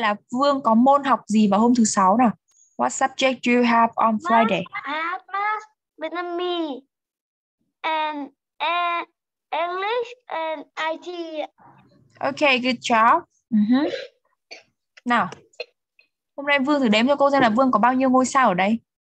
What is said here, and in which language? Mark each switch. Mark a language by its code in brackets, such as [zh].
[vi] Là Vương có môn học gì vào hôm thứ sáu nào? [en] What subject do you have on Friday? I have math, Vietnamese, and English and IT. Okay, good job. Now. [vi] Hôm nay Vương thử đếm cho cô xem là Vương có bao nhiêu ngôi sao ở đây.